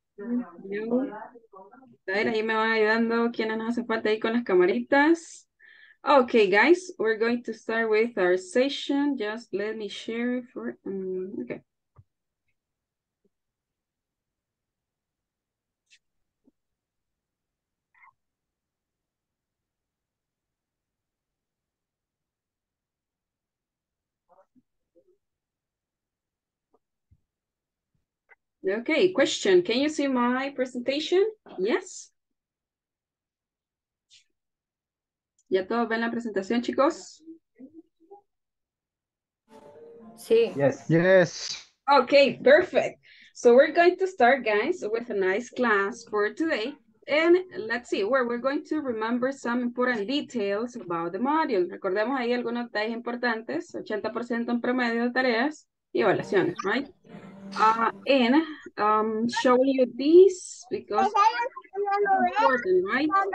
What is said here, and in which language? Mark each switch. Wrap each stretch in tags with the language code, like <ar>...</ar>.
<es>Ahí me van ayudando quienes nos hace falta ahí con las camaritas.</es> <en>Okay, guys, we're going to start with our session. Just let me share for okay. Okay, question. Can you see my presentation? Yes.</en> <es>¿Ya todos ven la presentación, chicos? Sí.</es> <en>Yes. Yes. Okay, perfect. So we're going to start, guys, with a nice class for today. And let's see, where we're going to remember some important details about the module.</en> <es>Recordemos ahí algunos detalles importantes, 80% en promedio de tareas y evaluaciones,</es> <en>right? And I'm showing you this because it's important, right?</en>